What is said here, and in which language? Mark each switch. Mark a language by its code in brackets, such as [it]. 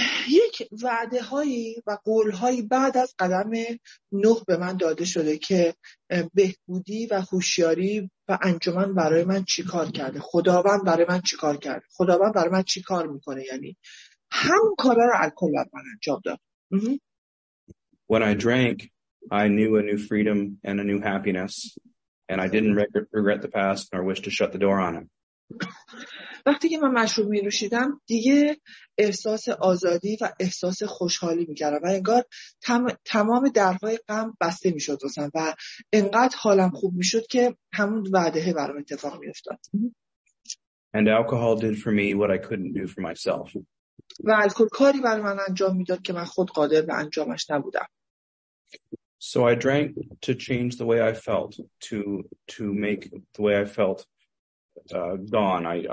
[fa] یک وعده هایی و قول هایی بعد از قدم 9 به من داده شده که بهبودی و هوشیاری و انجمن برای من چیکار کرده، خداوند برای من چیکار کرده، خداوند برای من چیکار میکنه، یعنی همون کارا رو الکل برای من انجام داد. [en] When I drank, I knew a new freedom and a new happiness. And I didn't regret the past nor wish to shut the door on it. [fa] وقتی که من مشروب می‌نوشیدم دیگه احساس آزادی و احساس خوشحالی می‌کردم و انگار تمام درهای غم بسته می‌شد واسم و انقدر حالم خوب می‌شد که همون وعده برام اتفاق می‌افتاد. [en] And alcohol did for me what I couldn't do for myself. [fa] و الکل کاری برای من انجام می‌داد که من خود قادر به انجامش نبودم. [en] So I drank to change the way I felt, to make the way I felt gone.